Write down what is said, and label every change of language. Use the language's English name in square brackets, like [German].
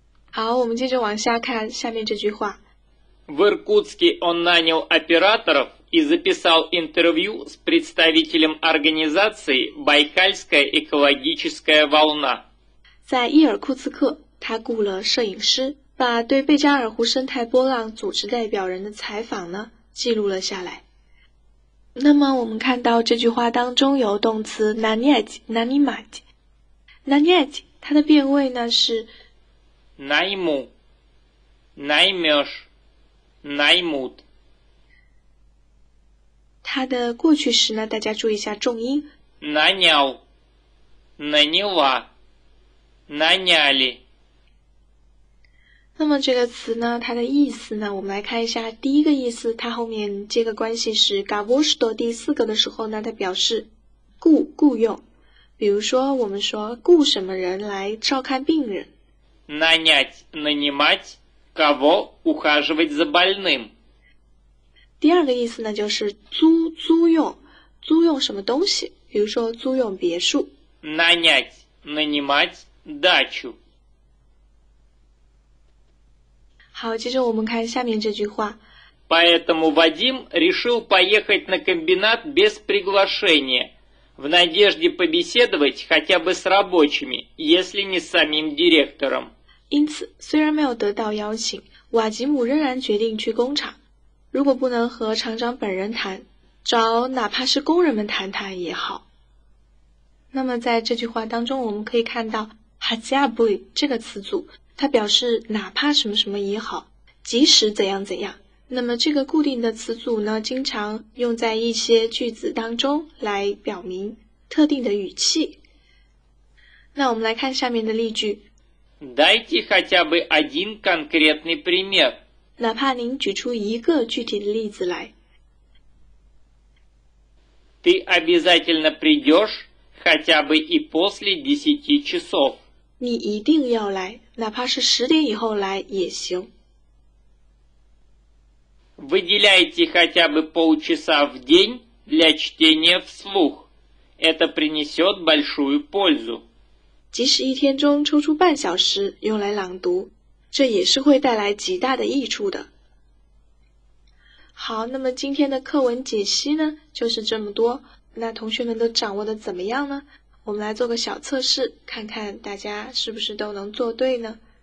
[Chinese] 好，我们接着往下看下面这句话。 [Russian] В Иркутске он нанял операторов и записал интервью с представителем организации «Байкальская экологическая волна». [Chinese] 在伊尔库茨克，他雇了摄影师，把对贝加尔湖生态波浪组织代表人的采访呢，记录了下来。那么我们看到这句话当中有动词 [Russian] нанять、нанимать。 [Chinese] нанять 它的变位呢是 [Russian] найму、наймешь。 Наймут. [Chinese] 它的过去时呢，大家注意一下重音。 [Russian] Нанял, наняла, наняли. [Chinese] 那么这个词呢，它的意思呢，我们来看一下。第一个意思，它后面接个关系是 гавошто 第四个的时候呢，它表示雇用。比如说，我们说雇什么人来照看病人。 [Russian] Нанять, нанимать. Кого ухаживать за больным? [Chinese] 第二个意思呢，就是租用，租用什么东西？比如说租用别墅。 [Russian] Нанять, нанимать дачу. [Chinese] 好，接着我们看下面这句话。 [Russian] Поэтому Вадим решил поехать на комбинат без приглашения, в надежде побеседовать хотя бы с рабочими, если не с самим директором. [Chinese] 因此，虽然没有得到邀请，瓦吉姆仍然决定去工厂。如果不能和厂长本人谈，找哪怕是工人们谈谈也好。那么在这句话当中，我们可以看到 [Russian] хотя бы [Chinese] 这个词组，它表示哪怕什么什么也好，即使怎样怎样。那么这个固定的词组呢，经常用在一些句子当中来表明特定的语气。那我们来看下面的例句。 [Russian] Дайте хотя бы один конкретный пример. [Chinese] 哪怕您举出一个具体的例子来。 [Russian] Ты обязательно придешь хотя бы и после 10 часов. [Chinese] 你一定要来，哪怕是十点以后来也行。 [Russian] Выделяйте хотя бы полчаса в день для чтения вслух. Это принесет большую пользу. [Chinese] 即使一天中抽出半小时用来朗读，这也是会带来极大的益处的。好，那么今天的课文解析呢，就是这么多。那同学们都掌握的怎么样呢？我们来做个小测试，看看大家是不是都能做对呢？